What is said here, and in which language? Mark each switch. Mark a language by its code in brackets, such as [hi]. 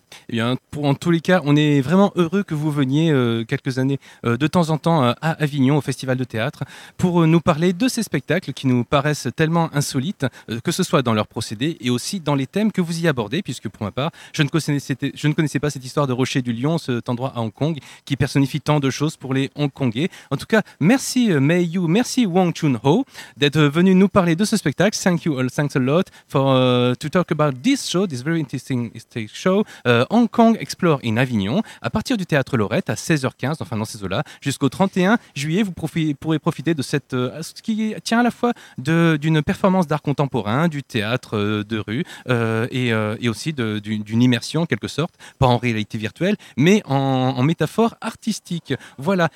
[fr] Eh bien, en tous les cas, on est vraiment heureux que vous veniez quelques années de temps en temps à Avignon, au Festival de Théâtre, pour nous parler de ces spectacles qui nous paraissent tellement insolites, que ce soit dans leurs procédés et aussi dans les thèmes que vous y abordez, puisque pour ma part, je ne connaissais pas cette histoire de Rocher du Lion, cet endroit à Hong Kong, qui personnifie tant de choses pour les Hongkongais. En tout cas, merci Mei Yu, merci Wong Chun-ho d'être venu nous parler de ce spectacle. [en] Thank you all, thanks a lot for to talk about this show, this very interesting show. [fr] Hong Kong Explore in Avignon, à partir du Théâtre Lorette, à 16h15, enfin dans ces eaux-là, jusqu'au 31 juillet, vous pourrez profiter de cette, ce qui tient à la fois d'une performance d'art contemporain, du théâtre de rue, et aussi d'une immersion, en quelque sorte, pas en réalité virtuelle, mais en métaphore artistique. Voilà.